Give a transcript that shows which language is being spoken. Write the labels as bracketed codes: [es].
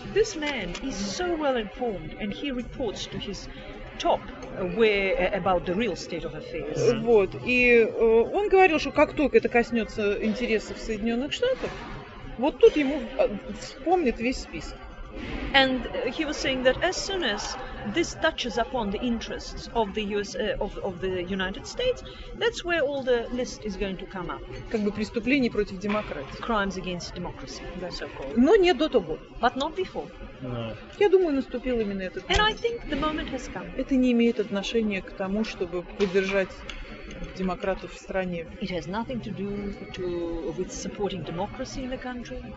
[en] This man is so well informed, and he reports to his top about the real state of affairs. [ru] Вот. И он говорил, что как только это коснется интересов Соединенных Штатов, вот тут ему вспомнит весь список. [en] And he was saying that as soon as this touches upon the interests of the US, of the United States, that's where all the list is going to come up. [ru] Как бы преступлений против демократии. [en] Crimes against democracy, [ru] да. [en] So-called. [ru] Но не до того. [en] But not before. No. [ru] Я думаю, наступил именно этот момент. [en] And I think the moment has come. [ru] Это не имеет отношения к тому, чтобы поддержать демократов в стране. [en] It has nothing to do with supporting democracy in the country.